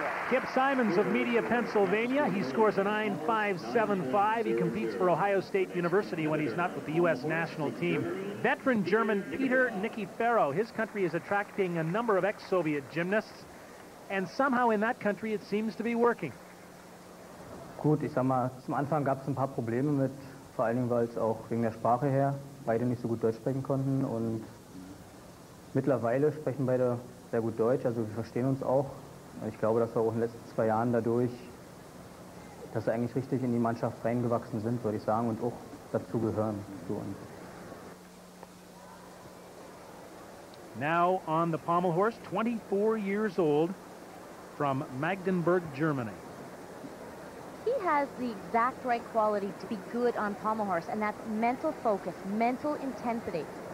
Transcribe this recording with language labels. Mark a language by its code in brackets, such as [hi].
[en] Kip Simons of Media, Pennsylvania. He scores a 9.575. He competes for Ohio State University when he's not with the U.S. national team. Veteran German Peter Nikiforo. His country is attracting a number of ex-Soviet gymnasts, and somehow in that country it seems to be working. [de] Gut, ich sag mal, zum Anfang gab es ein paar Probleme mit, vor allen Dingen, weil es auch wegen der Sprache her beide nicht so gut Deutsch sprechen konnten. Und mittlerweile sprechen beide sehr gut Deutsch, also wir verstehen uns auch. Ich glaube, dass wir auch in den letzten 2 Jahren dadurch, dass wir eigentlich richtig in die Mannschaft reingewachsen sind, würde ich sagen, und auch dazu gehören zu uns. [en] Now on the pommel horse, 24 years old, from Magdeburg, Germany. He has the exact right quality to be good on pommel horse, and that's mental focus, mental intensity.